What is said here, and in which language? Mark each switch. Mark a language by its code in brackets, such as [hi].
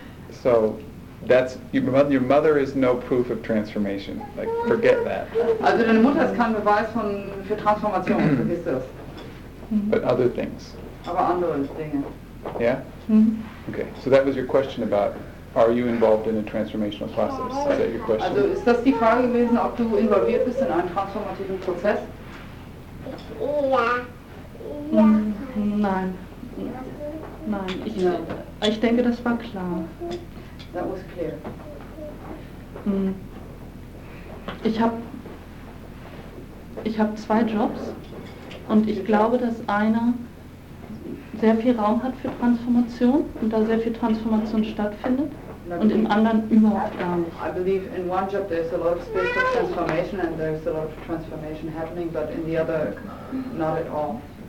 [en] So, that's your mother is no proof of transformation. Like, forget that. [de] Also deine Mutter ist kein Beweis für Transformation. Vergiss das. [en] But other things. [de] Aber andere Dinge. Yeah. Mm-hmm. Okay. [en] So that was your question about: are you involved in a transformational process? Is that your question? [de] Also ist das die Frage gewesen, ob du involviert bist in einen transformativen Prozess? Ja. Nein. Nein, ich denke, das war klar. [en] That was clear. [de] Ich habe zwei Jobs und ich glaube, dass einer sehr viel Raum hat für Transformation und da sehr viel Transformation stattfindet und im anderen überhaupt gar nicht. [en] I believe in one job there's a lot of space for transformation and there's a lot of transformation happening, but in the other, not at all.